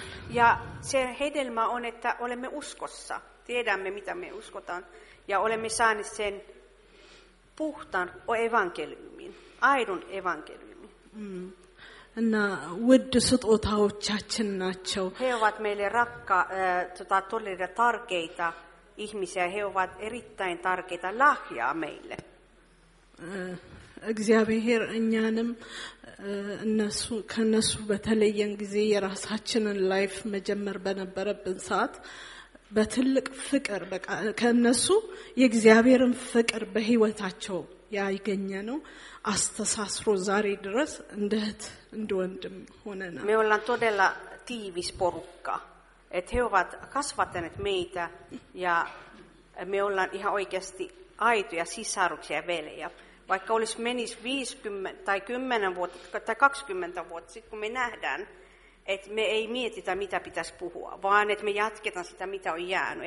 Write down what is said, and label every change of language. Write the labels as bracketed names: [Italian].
[Finnish] Ja se hedelmä on, että olemme uskossa, tiedämme mitä me uskotaan, ja olemme saaneet sen puhtaan evankeliumin, aidon evankeliumin. [Amharic] Mm. Na ውድ ስጦታዎቻችን ናቸው. [Finnish] He ovat meille rakka todella tärkeitä ihmisiä. He ovat erittäin tärkeitä lahjaa meille. [Amharic] እግዚአብሔር እኛንም እነሱ ከነሱ በተለየን ጊዜ የራሳችንን ላይፍ መጀመር በነበረብን ሰዓት በትልቅ ፍቅር በቃ ከነሱ የእግዚአብሔርን ፍቅር በህይወታቸው ያይገኘነው አስተሳስሮ ዛሬ ድረስ እንደት እንደወንድም ሆነና [Finnish] me ollaan todella tiivis porukka, että he ovat kasvattaneet meitä ja me ollaan ihan oikeasti aitoja sisaruksia ja veljejä. Vaikka olisi menis 50 tai 10 vuotta tai 20 vuotta sitten, kun me nähdään, että me ei mietitä, mitä pitäisi puhua, vaan että me jatketaan sitä, mitä on jäänyt.